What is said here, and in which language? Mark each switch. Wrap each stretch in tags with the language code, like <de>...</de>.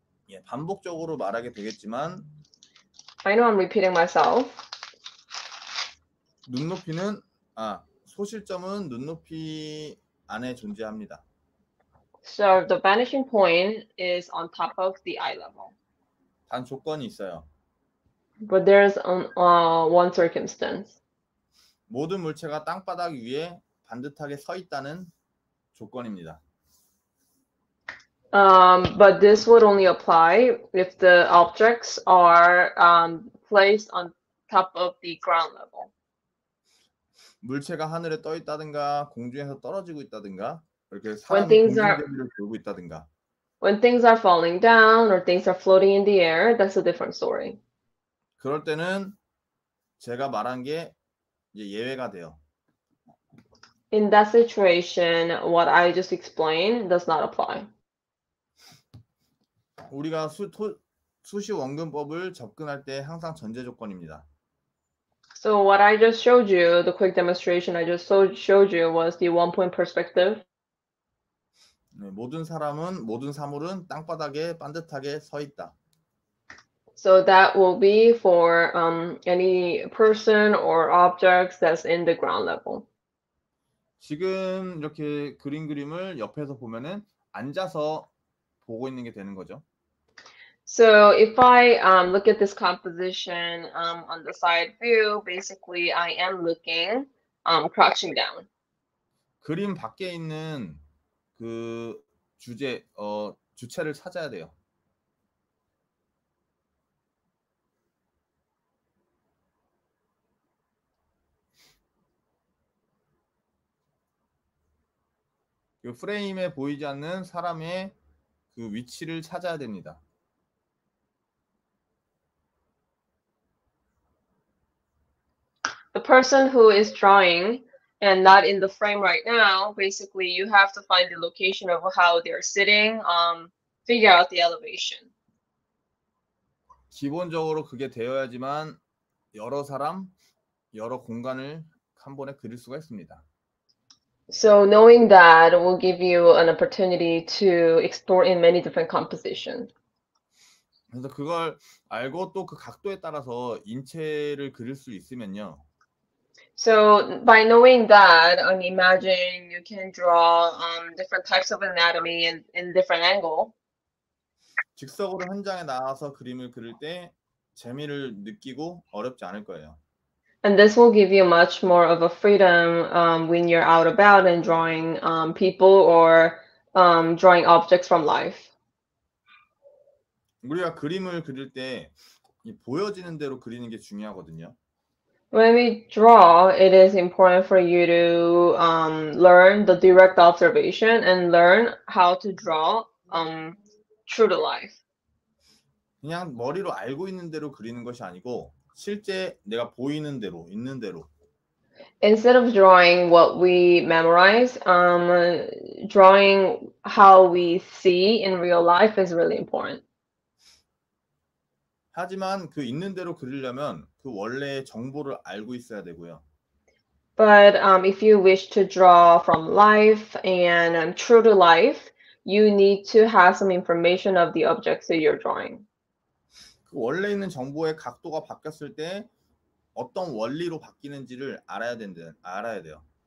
<ko>예, 반복적으로 말하게 되겠지만</ko> <en>I know I'm repeating myself.</en> <ko>눈높이는 소실점은 눈높이 안에 존재합니다.</ko> <en>So the vanishing point is on top of the eye level.</en> <ko>단 조건이 있어요.</ko> <en>But there's one circumstance.</en> <ko>모든 물체가 땅바닥 위에 반듯하게 서 있다는 조건입니다.</ko> <en>But this would only apply if the objects are placed on top of the ground level.</en> <ko>물체가 하늘에 떠 있다든가 공중에서 떨어지고 있다든가 이렇게 사람 공중에서 돌고 있다든가.</ko> <en>When things are falling down or things are floating in the air, that's a different story.</en> <ko>그럴 때는 제가 말한 게 이제 예외가 돼요.</ko> <en>In that situation, what I just explained does not apply.</en> <ko>우리가 수시 원근법을 접근할 때 항상 전제 조건입니다.</ko> <en>So what I just showed you, the quick demonstration I just showed you was the one-point perspective.</en> <ko>네, 모든 사람은 모든 사물은 땅바닥에 반듯하게 서 있다.</ko> <en>So that will be for any person or objects that's in the ground level.</en> <ko>지금 이렇게 그린 그림을 옆에서 보면은 앉아서 보고 있는 게 되는 거죠.</ko> <en>So if I look at this composition on the side view, basically I am looking crouching down.</en> <ko>그림 밖에 있는 그 주제 주체를 찾아야 돼요.</ko> <en>The</en> <ko>프레임에 보이지 않는 사람의 그 위치를 찾아야 됩니다.</ko> <en>The person who is drawing and not in the frame right now, basically you have to find the location of how they're sitting, figure out the elevation.</en> <ko>기본적으로 그게 되어야지만 여러 사람, 여러 공간을 한 번에 그릴 수가 있습니다.</ko> <en>So knowing that will give you an opportunity to explore in many different compositions.</en> <ko>그래서 그걸 알고 또 그 각도에 따라서 인체를 그릴 수 있으면요.</ko> <en>So by knowing that, I mean, imagine you can draw different types of anatomy in different angle.</en> <ko>즉석으로 현장에 나와서 그림을 그릴 때 재미를 느끼고 어렵지 않을 거예요.</ko> <en>And this will give you much more of a freedom when you're out about and drawing people or drawing objects from life.</en> <ko>우리가 그림을 그릴 때 보여지는 대로 그리는 게 중요하거든요.</ko> <en>When we draw, it is important for you to learn the direct observation and learn how to draw true to life.</en> <ko>그냥 머리로 알고 있는 대로 그리는 것이 아니고 실제 내가 보이는 대로, 있는 대로.</ko> <en>Instead of drawing what we memorize, drawing how we see in real life is really important.</en> <ko>하지만 그 있는 대로 그리려면 그 원래의 정보를 알고 있어야 되고요.</ko> <en>But if you wish to draw from life and true to life, you need to have some information of the objects that you're drawing.</en> <ko>그 원래 있는 정보의 각도가 바뀌었을 때 어떤 원리로 바뀌는지를 알아야 돼요.</ko>